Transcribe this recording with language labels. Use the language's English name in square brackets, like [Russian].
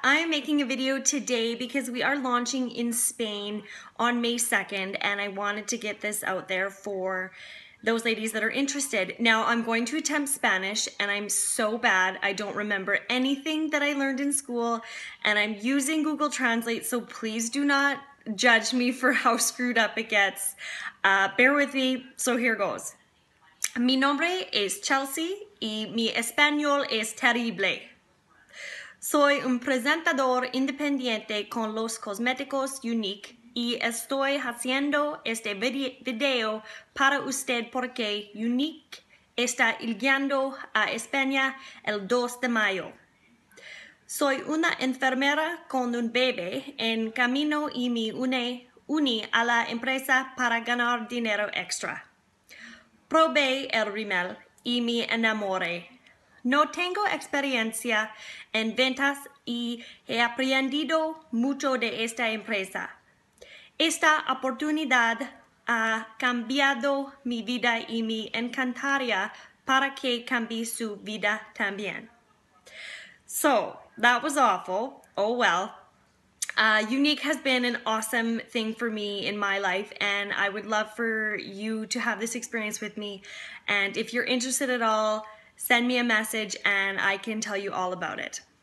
[English] I'm making a video today because we are launching in Spain on May 2nd and I wanted to get this out there for those ladies that are interested. Now, I'm going to attempt Spanish and I'm so bad, I don't remember anything that I learned in school and I'm using Google Translate, so please do not judge me for how screwed up it gets. Bear with me, so here goes. [Spanish] Mi nombre es Chelsea y mi español es terrible. Soy un presentador independiente con los cosméticos Younique y estoy haciendo este video para usted porque Younique está llegando a España el 2 de mayo. Soy una enfermera con un bebé en camino y me uní a la empresa para ganar dinero extra. Probé el rímel y me enamoré. No tengo experiencia en ventas y he aprendido mucho de esta empresa. Esta oportunidad ha cambiado mi vida y me encantaría para que cambie su vida también. [English] So, that was awful. Oh well. Younique has been an awesome thing for me in my life and I would love for you to have this experience with me. And if you're interested at all, send me a message and I can tell you all about it.